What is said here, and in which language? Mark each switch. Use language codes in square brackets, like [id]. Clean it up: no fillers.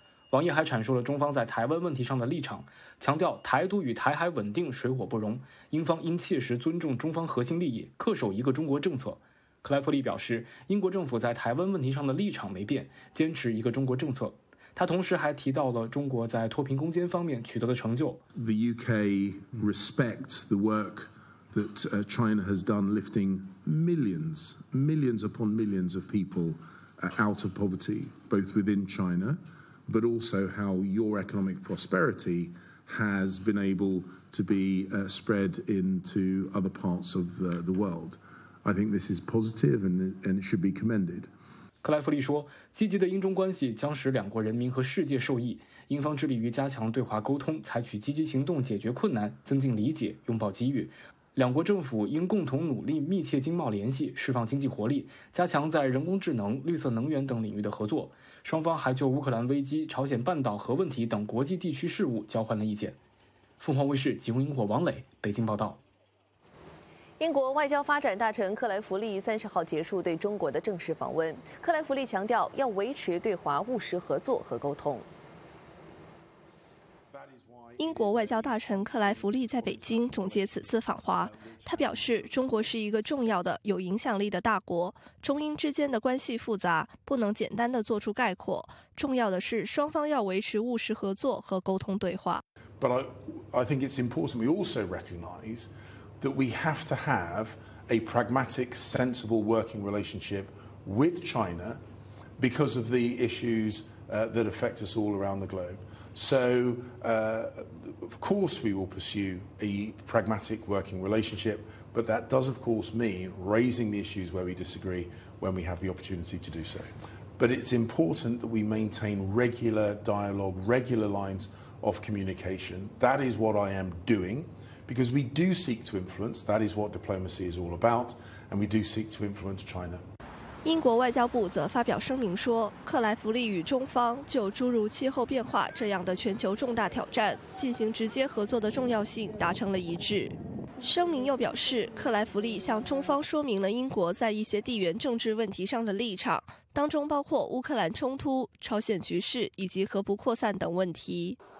[zh] 王毅还阐述了中方在台湾问题上的立场，强调台独与台海稳定水火不容，英方应切实尊重中方核心利益，恪守一个中国政策。克莱弗利表示，英国政府在台湾问题上的立场没变，坚持一个中国政策。他同时还提到了中国在脱贫攻坚方面取得的成就。 [en] The UK respects the workthat China has done lifting millions, millions upon millions of people out of poverty, both within China, but also how your economic prosperity has been able to be spread into other parts of the world. I think this is positive and it should be commended. [zh] 克莱弗利说，积极的英中关系将使两国人民和世界受益，英方致力于加强对华沟通，采取积极行动解决困难，增进理解，拥抱机遇。两国政府应共同努力密切经贸联系，释放经济活力，加强在人工智能、绿色能源等领域的合作。双方还就乌克兰危机、朝鲜半岛核问题等国际地区事务交换了意见。凤凰卫视吉隆英国王磊北京报道。英国外交发展大臣克莱弗利30号结束对中国的正式访问。克莱弗利强调，要维持对华务实合作和沟通。英国外交大臣克莱弗利在北京总结此次访华，他表示，中国是一个重要的、有影响力的大国，中英之间的关系复杂，不能简单地做出概括，重要的是双方要维持务实合作和沟通对话。 [en] But I think it's important we also recognize that we have to have a pragmatic, sensible working relationship with China because of the issues that affect us all around the globe. So, of course, we will pursue a pragmatic working relationship, but that does, of course, mean raising the issues where we disagree when we have the opportunity to do so. But it's important that we maintain regular dialogue, regular lines of communication. That is what I am doing, because we do seek to influence. That is what diplomacy is all about, and we do seek to influence China. [zh] 英国外交部则发表声明说，克莱弗利与中方就诸如气候变化这样的全球重大挑战进行直接合作的重要性达成了一致。声明又表示，克莱弗利向中方说明了英国在一些地缘政治问题上的立场，当中包括乌克兰冲突、朝鲜局势以及核不扩散等问题。